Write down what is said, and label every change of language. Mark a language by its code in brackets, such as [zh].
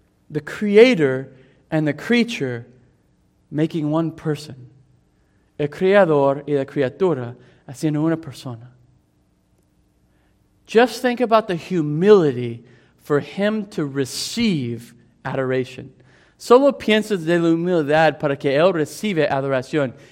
[en] The creator and the creature making one person. [es] El creador y la criatura haciendo una persona. [en] Just think about the humility for him to receive adoration. [es] Solo piensas de la humildad para que él reciba adoración.